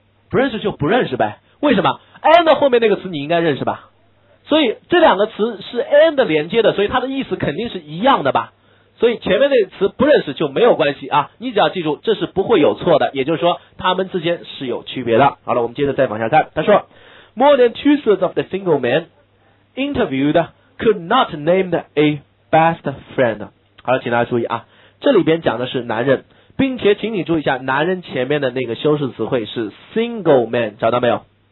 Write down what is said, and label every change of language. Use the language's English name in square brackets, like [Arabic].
[Chinese] 不认识就不认识呗。为什么？and 后面那个词你应该认识吧，所以这两个词是 and 连接的，所以它的意思肯定是一样的吧。所以前面那词不认识就没有关系啊，你只要记住这是不会有错的，也就是说他们之间是有区别的。好了，我们接着再往下看。 [English] 他说 More than two-thirds of the single men interviewed could not name a best friend。 [Chinese] 好了，请大家注意啊，这里边讲的是男人，并且请你注意一下男人前面的那个修饰词汇是 single man， 找到没有？